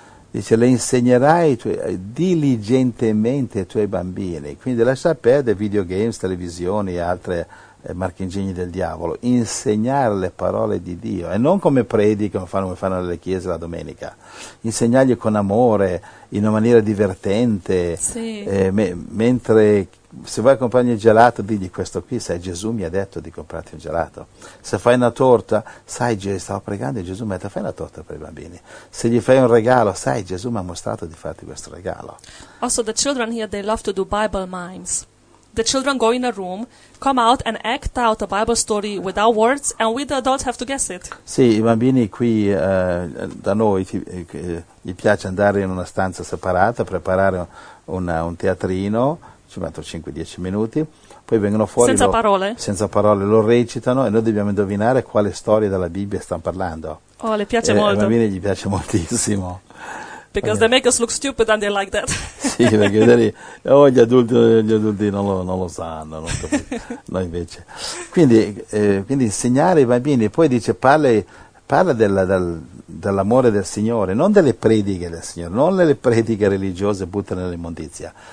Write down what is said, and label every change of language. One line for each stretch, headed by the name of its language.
Italian: Dice: le insegnerai diligentemente ai tuoi bambini, quindi lascia perdere videogames, televisioni e altre marchingegni del diavolo, insegnare le parole di Dio, e non come predica, come fanno nelle chiese la domenica, insegnargli con amore, in una maniera divertente, sì. Mentre se vuoi comprare un gelato, digli questo qui, sai, Gesù mi ha detto di comprarti un gelato. Se fai una torta, sai, stavo pregando e Gesù mi ha detto, fai una torta per i bambini. Se gli fai un regalo, sai, Gesù mi ha mostrato di farti questo regalo.
English: Also, the children here, they love to do Bible mimes. The children go in a room, come out and act out a Bible story without words, and we the adults have to guess it.
Italian: Sì, i bambini qui da noi gli piace andare in una stanza separata, preparare un teatrino, ci mettono 5-10 minuti, poi vengono fuori senza parole, lo recitano e noi dobbiamo indovinare quale storia della Bibbia stanno parlando. Oh, le piace molto. Ai bambini gli piace moltissimo.
English: Because they make us look stupid and they like that.
Italian: Sì, perché vedi, gli adulti non lo sanno, non capisco. Noi invece. Quindi insegnare ai bambini, poi dice parla dell'amore del Signore, non delle prediche del Signore, non delle prediche religiose buttate nell'immondizia.